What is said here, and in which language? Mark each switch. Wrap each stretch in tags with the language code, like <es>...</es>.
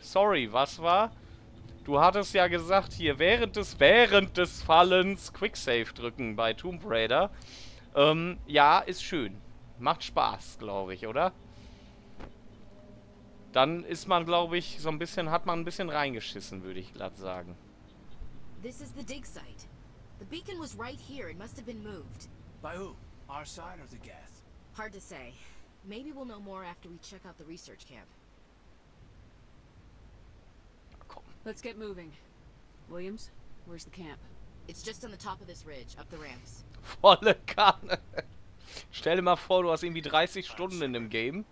<de>Sorry, was war? Du hattest ja gesagt, hier während des Fallens Quicksave drücken bei Tomb Raider. Ja, ist schön. Macht Spaß, glaube ich, oder? Dann ist man, glaube ich, so ein bisschen, hat man ein bisschen reingeschissen, würde ich glatt sagen.</de> <en>This is the dig site. The beacon was right here. It must have been moved. By who? Our side or the Geth? Hard to say. Maybe we'll know more after we check out the research camp. Let's get moving. Williams, where's the camp? It's just on the top of this ridge, up the ramps.</en> <de>Volle Kanne. Stell dir mal vor, du hast irgendwie 30 Stunden in dem Game.</de>